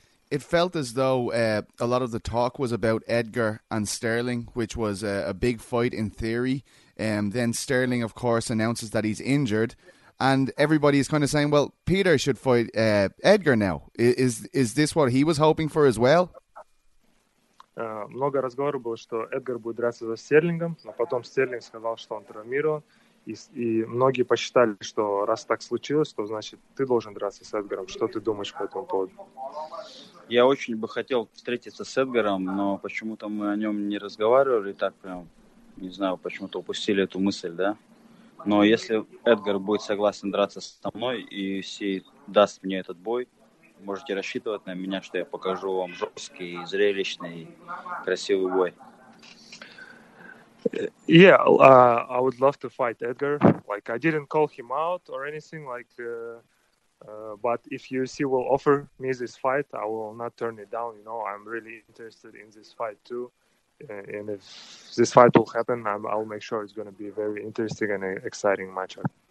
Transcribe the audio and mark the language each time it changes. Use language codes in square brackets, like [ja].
[en] It felt as though a lot of the talk was about Edgar and Sterling, which was a big fight in theory. Then Sterling, of course, announces that he's injured. And everybody is kind of saying, well, Peter should fight Edgar now. Is this what he was hoping for as well? [ru] Много разговоров было, что Эдгар будет драться за Стерлингом, но потом Стерлинг сказал, что он травмирован, и многие посчитали, что раз так случилось, то значит ты должен драться с Эдгаром. Что ты думаешь по этому поводу? Я очень бы хотел встретиться с Эдгаром, но почему-то мы о нем не разговаривали, так прям, не знаю, почему-то упустили эту мысль, да? Но если Эдгар будет согласен драться со мной и все даст мне этот бой, можете рассчитывать на меня, что я покажу вам жесткий, зрелищный, красивый бой. [en] Yeah, I would love to fight Edgar. Like, I didn't call him out or anything, like, but if UFC will offer me this fight, I will not turn it down, you know, I'm really interested in this fight too. And if this fight will happen, I'll make sure it's going to be a very interesting and exciting matchup.